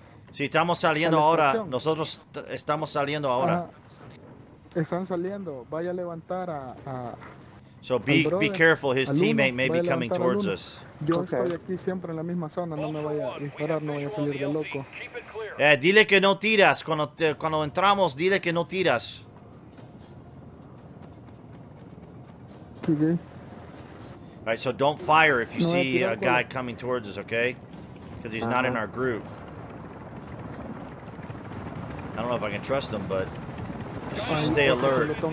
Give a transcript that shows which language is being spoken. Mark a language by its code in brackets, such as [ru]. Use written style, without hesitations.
[es] Sí, estamos saliendo ahora. Nosotros estamos saliendo ahora. Están saliendo. Vaya a levantar a. [en] So be careful. His teammate may be coming towards us. [es] Yo estoy aquí siempre en la misma zona. No me vaya a disparar. No vaya a salir de loco. Dile que no tiras. Cuando entramos, dile que no tiras. [en] Okay. All right, so don't fire if you see a guy coming towards us, okay? Because he's not in our group. I don't know if I can trust him, but just stay alert.